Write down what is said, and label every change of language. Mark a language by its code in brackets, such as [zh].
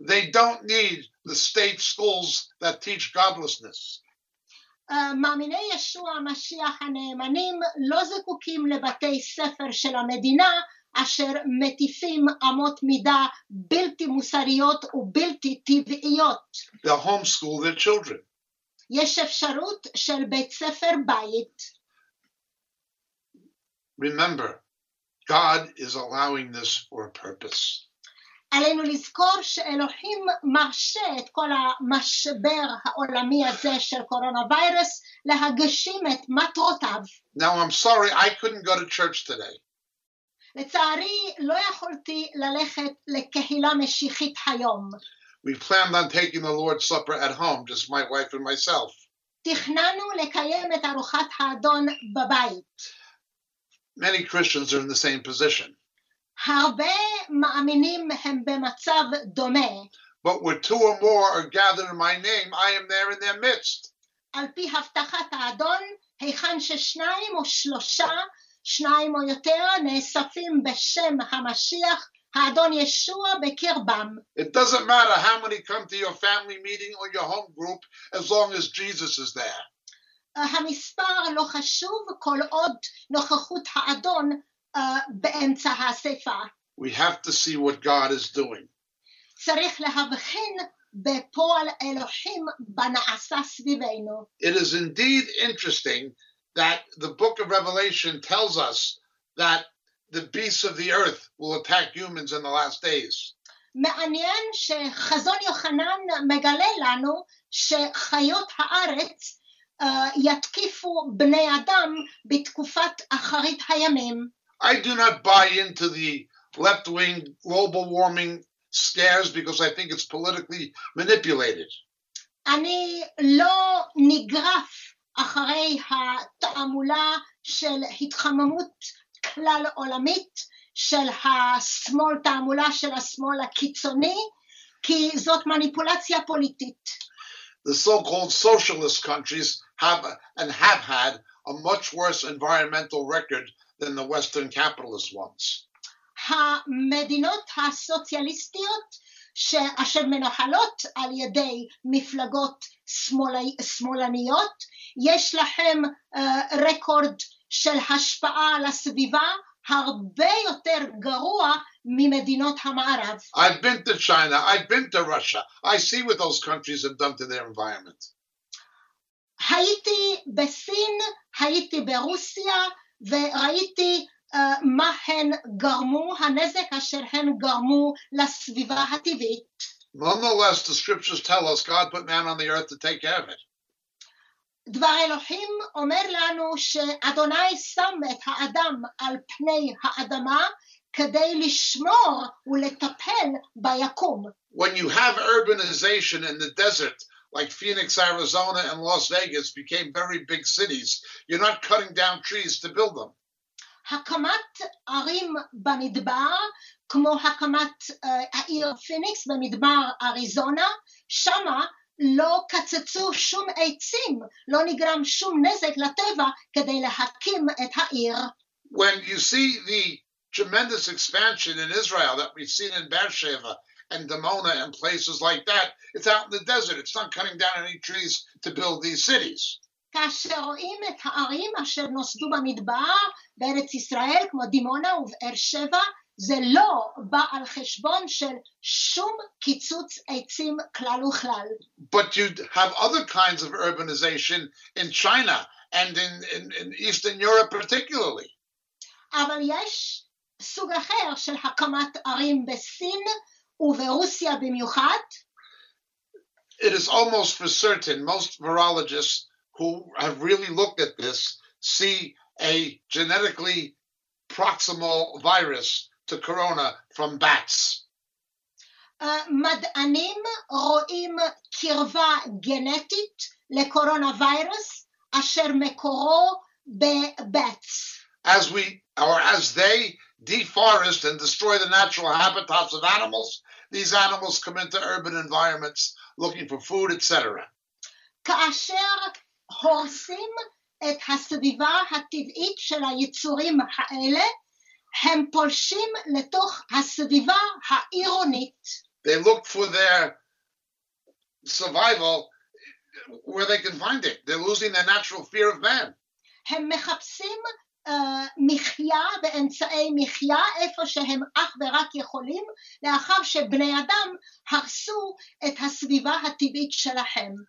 [en] They don't need the state schools that teach godlessness. [he] מאמיני ישוע המשיח הנאמנים לא זקוקים לבתי ספר של המדינה אשר מטיפים אמות מידה בלתי מוסריות ובלתי טבעיות. [en] They homeschool their children. [he] יש אפשרות של בית ספר בית. [en] Remember, God is allowing this for a purpose. [he] עלינו לזכור שאלוהים מרשה את כל המשבר העולמי הזה של קורונה וירוס להגשים את מטרותיו. [en] Now I'm sorry, I couldn't go to church today. [he] לצערי, לא יכולתי ללכת לקהילה משיחית היום. [en] We planned on taking the Lord's Supper at home, just my wife and myself. [he] תכננו לקיים את ארוחת האדון בבית. [en] Many Christians are in the same position. [he] הרבה מאמינים הם במצב דומה. [en] But where two or more are gathered in my name, I am there in their midst. [he] Al pi haftachat ha'adon, heichan ששניים או שלושה, שניים או יותר, נאספים בשם המשיח, האדון ישוע בקרבם. [en] It doesn't matter how many come to your family meeting or your home group, as long as Jesus is there. [he] המספר לא חשוב כל עוד נוכחות האדון באמצע האספה. [en] We have to see what God is doing. [he] צריך להבחין בפועל אלוהים בנעשה סביבנו. [en] It is indeed interesting that the book of Revelation tells us that the beasts of the earth will attack humans in the last days. [he] מעניין שחזון יוחנן מגלה לנו שחיות הארץ יתקיפו בני אדם בתקופת אחרית הימים. [en] I do not buy into the left-wing global warming scares because I think it's politically manipulated. [he] אני לא נגרף אחרי התעמולה של התחממות כלל עולמית של השמאל, תעמולה של השמאל הקיצוני, כי זאת מניפולציה פוליטית. [en] The so-called socialist countries have had a much worse environmental record than the Western capitalist ones. [he] המדינות הסוציאליסטיות שאשר מנוהלות על ידי מפלגות שמאלניות, יש להם רקורד של השפעה על הסביבה הרבה יותר גרוע ממדינות המערב. [en] I've been to China, I've been to Russia. I see what those countries have done to their environment. [he] הייתי בסין, הייתי ברוסיה, וראיתי מה הן גרמו, הנזק אשר הן גרמו לסביבה הטבעית. [en] Nonetheless, the scriptures tell us God put man on the earth to take care of it. [he] דבר אלוהים אומר לנו שאדוני שם את האדם על פני האדמה כדי לשמור ולטפל ביקום. [en] When you have urbanization in the desert, like Phoenix, Arizona and Las Vegas became very big cities, you're not cutting down trees to build them. [he] הקמת ערים במדבר, כמו הקמת העיר פיניקס במדבר אריזונה, שמה לא קצצו שום עצים, לא נגרם שום נזק לטבע כדי להקים את העיר. [en] When you see the tremendous expansion in Israel that we've seen in Be'er Sheva and Dimona and places like that, it's out in the desert. It's not cutting down any trees to build these cities. [he] כאשר רואים את הערים אשר נוסדו במדבר בארץ ישראל, כמו דימונה ובאר שבע, זה לא בא על חשבון של שום קיצוץ עצים כלל וכלל. [en] But you have other kinds of urbanization in China and in Eastern Europe particularly. [he] אבל יש סוג אחר של הקמת ערים בסין וברוסיה במיוחד. [en] It is almost for certain, most virologists who have really looked at this see a genetically proximal virus to corona from bats. [he] מדענים רואים קרבה גנטית לקורונה וירוס אשר מקורו בבאטס. [en] As they deforest and destroy the natural habitats of animals, these animals come into urban environments looking for food, etc. [he] כאשר הורסים את הסביבה הטבעית של היצורים האלה, הם פולשים לתוך הסביבה העירונית. [en] They look for their survival where they can find it. They're losing their natural fear of man. [he] הם מחפשים מחיה באמצעי מחיה איפה שהם אך ורק יכולים, לאחר שבני אדם הרסו את הסביבה הטבעית שלהם.